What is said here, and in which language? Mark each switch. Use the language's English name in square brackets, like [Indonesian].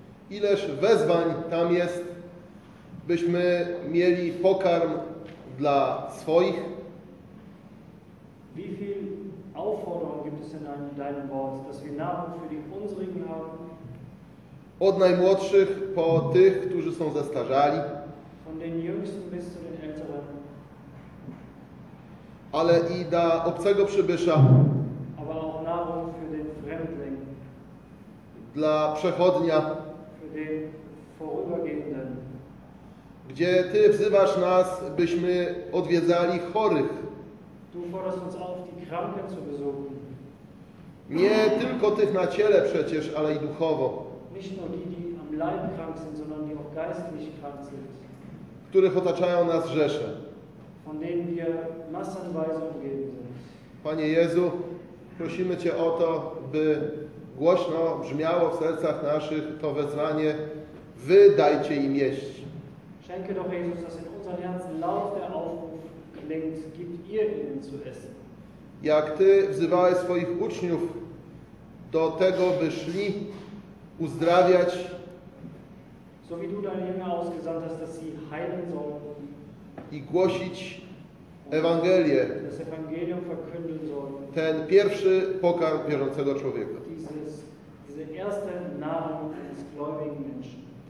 [Polish] Ileż wezwań tam jest, byśmy mieli pokarm dla swoich? [German] Wie viel Aufforderung gibt es in deinem Wort, dass wir Nahrung für die unsrigen haben? [Polish] Od najmłodszych po tych, którzy są zestarzali. [German] Von den jüngsten bis zu den älteren. [Polish] Ale i dla obcego przybysza. [German] Aber auch Nahrung für den Fremdling. [Polish] Dla przechodnia. [German] Für den vorübergehenden. [Polish] Gdzie Ty wzywasz nas, byśmy odwiedzali chorych. [German] Du forderst uns auf, die Kranken zu besuchen. [Polish] Nie tylko tych na ciele przecież, ale i duchowo. [German] Nicht nur die, die am Leib krank sind, sondern die auch geistlich krank sind. [Polish] Których otaczają nas rzesze. [German] Von denen wir massenweise umgeben sind. [Polish] Panie Jezu, prosimy Cię o to, by głośno brzmiało w sercach naszych to wezwanie: Wy dajcie im jeść. [German] Schenke doch, Jesus, dass in unseren Herzen laut der Aufruf klingt, gibt ihr ihnen zu essen. [Polish] Jak Ty wzywałeś swoich uczniów do tego, by szli uzdrawiać. [German] So wie du deine Jünger ausgesandt hast, dass sie heilen sollen. [Polish] I głosić Ewangelię. [German] Das Evangelium verkünden sollen. [Polish] Ten pierwszy pokarm wierzącego człowieka. [German] Diese erste Nahrung des gläubigen Menschen.